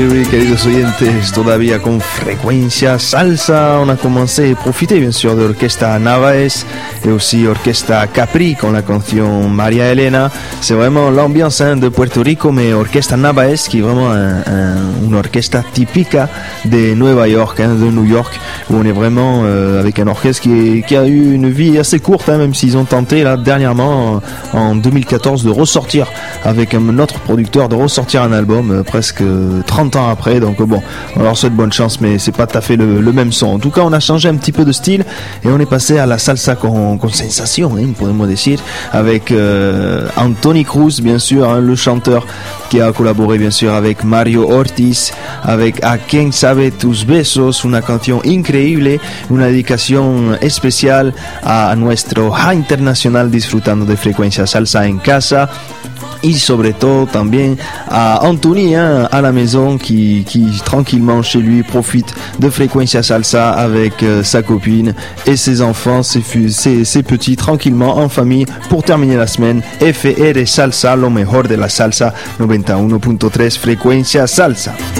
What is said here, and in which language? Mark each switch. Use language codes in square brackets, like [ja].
[es] queridos oyentes, todavía con [fr] frecuencia salsa, on a commencé, profité bien sûr de Orquesta Navaez y aussi Orquesta Capri [es] con la canción [fr] María Elena. C'est vraiment l'ambiance de Puerto Rico, mais Orquesta Navaez, qui vraiment une orquesta típica de Nueva York, de New York, où on est vraiment avec un orchestre qui a eu une vie assez courte, même s'ils ont tenté là dernièrement en 2014 de ressortir avec un autre producteur, de ressortir un album presque 30 ans après. Donc bon, on leur souhaite bonne chance, mais c'est pas tout à fait le même son. En tout cas, on a changé un petit peu de style et on est passé à la salsa con sensation, hein, pouvons-nous dire, avec Anthony Cruz, bien sûr, hein, le chanteur qui a collaboré bien sûr avec Mario Ortiz, avec A Quien Sabe Tus Besos, [es] una canción increíble, una dedicación especial a nuestro Ja Internacional disfrutando de Frecuencia Salsa en casa. Y sobre todo también a Anthony, [fr] hein, à la maison, qui tranquillement chez lui profite de Frecuencia Salsa avec sa copine et ses enfants, ses petits, tranquillement en famille pour terminer la semaine. [es] FR Salsa, lo mejor de la salsa, 91.3 Frecuencia Salsa.